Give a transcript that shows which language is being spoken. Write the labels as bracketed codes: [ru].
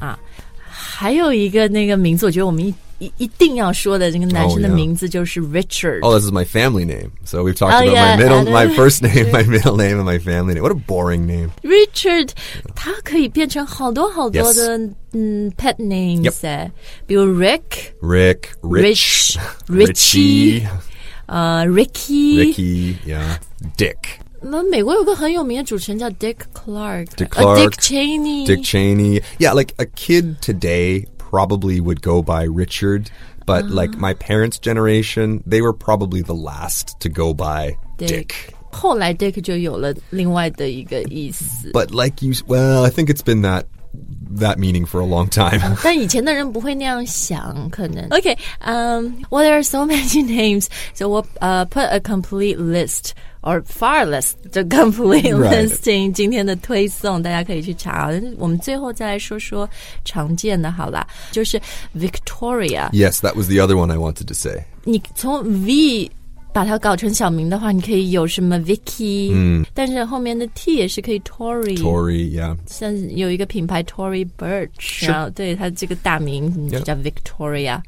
[zh] 啊，还有一个那个名字，我觉得我们一定要说的这个男生的名字就是 Richard. [en] Oh, yeah. Oh, this is my family name. So we've talked about my middle, my first name, my middle name, and my family name. What a boring name. [zh] Richard, 它可以变成好多好多的、pet names. [en] Yep. [zh] 比如 Rick. [en] Rick. Rich. Richie. Ricky. Ricky. Yeah. Dick. [zh] 那美国有个很有名的主持人叫 Dick Clark. [en] Dick Clark. Dick Cheney. Dick Cheney. Yeah, like a kid today probably would go by Richard. But like my parents' generation, they were probably the last to go by Dick. [zh] 后来 Dick 就有了另外的一个意思。 [en] But like you, well, I think it's been that meaning for a long time. [zh] 但以前的人不会那样想可能。 [en] Okay, well, there are so many names. So we'll put a complete list, or far less the complete listing,、right. [zh] 今天的推送大家可以去查。我们最后再来说说常见的好了。就是 Victoria. [en] Yes, that was the other one I wanted to say. [zh] 你从 V... 把它搞成小名的话你可以有什么 Vicky、但是后面的 T 也是可以 Tory [en] yeah [zh] 像有一个品牌 Tory Burch、 [en] sure. [zh] 对它这个大名就叫 Victoria、yeah.